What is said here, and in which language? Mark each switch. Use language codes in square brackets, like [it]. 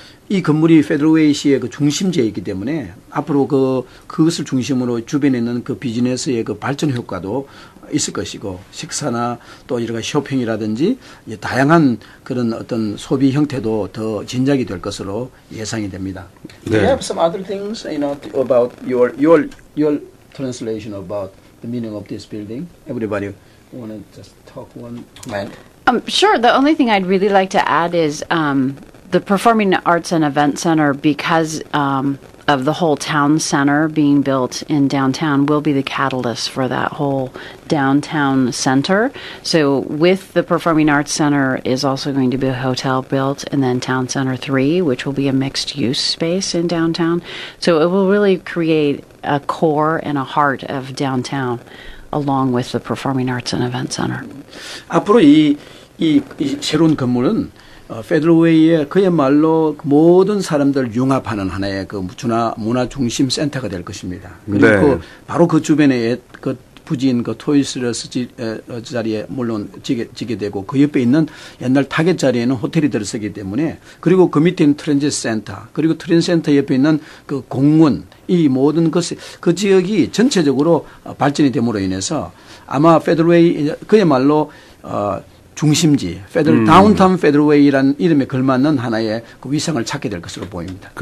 [ko] 이 건물이 페더웨이 시의 그 중심지에 있기 때문에 앞으로 그것을 중심으로 주변에 있는 그 비즈니스의 그 발전 효과도 있을 것이고 식사나 또 여러 가지 쇼핑이라든지 이제 다양한 그런 어떤 소비 형태도 더 진작이 될 것으로 예상이 됩니다. 네. [en] We have some other things, you know, about your translation about the meaning of this building. Everybody want to just talk one comment? Sure. The only thing I'd really like to add is the Performing Arts and Event Center, because of the whole town center being built in downtown, will be the catalyst for that whole downtown center. So with the Performing Arts Center is also going to be a hotel built, and then Town Center 3, which will be a mixed-use space in downtown. So it will really create a core and a heart of downtown along with the Performing Arts and Event Center. [ko] 앞으로 이 새로운 건물은 페더웨이의 그야말로 모든 사람들 융합하는 하나의 그 문화 중심 센터가 될 것입니다. 그리고 네. 바로 그 주변에 그 부지인 그 토이스러스 자리에 물론 지게 되고 그 옆에 있는 옛날 타겟 자리에는 호텔이 들어서기 때문에 그리고 그 밑에 있는 트랜지 센터 그리고 트랜지 센터 옆에 있는 그 공원 이 모든 것이 그 지역이 전체적으로 발전이 됨으로 인해서 아마 페더웨이 그야말로 중심지, 다운타운 페더웨이라는 이름에 걸맞는 하나의 그 위상을 찾게 될 것으로 보입니다.